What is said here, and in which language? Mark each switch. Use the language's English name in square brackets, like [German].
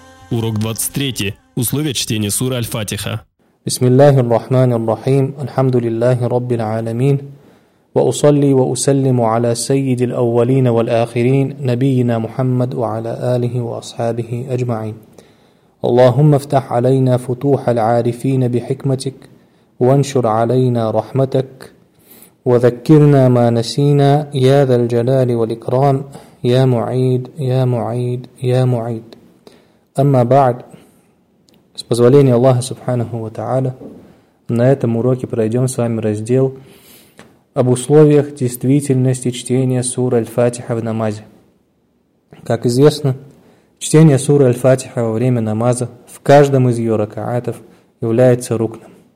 [Russian] Урок 23. Условия чтения суры Аль-Фатиха. [Arabic] Бисмиллахир рахманир рахим. Алхамдулиллахи раббил аламин. Ва усалли ва усаллиму аля сайидил аввалина вал ахирин набиина Мухаммад ва аля алихи ва асхабихи аджмаин. اللهم افتح علينا فتوح العارفين بحكمتك وانشر علينا رحمتك وذكرنا ما نسينا يا ذا الجلال والإكرام يا معيد يا معيد يا معيد. أما بعد, [Russian] с позволения Аллаха Субханаху ва Тааля, на этом уроке пройдем с вами раздел об условиях действительности чтения суры Аль-Фатиха в намазе. Как известно, чтение суры Аль-Фатиха во время намаза в каждом из ее ракаатов является рукном.